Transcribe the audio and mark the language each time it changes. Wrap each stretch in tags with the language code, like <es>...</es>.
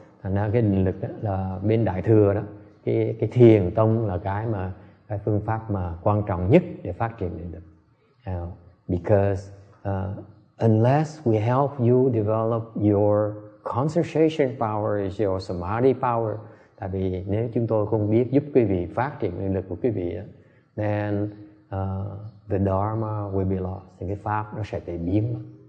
<vi>Thành ra cái định lực đó là bên đại thừa đó, cái thiền tông là cái phương pháp mà quan trọng nhất để phát triển định lực.</vi> <en>Because unless we help you develop your concentration power is your samadhi power.</en> <vi>Tại vì nếu chúng tôi không biết giúp quý vị phát triển năng lực của quý vị,</vi> <en>then the Dharma will be lost.</en> <vi>Thì cái pháp nó sẽ bị biến.</vi>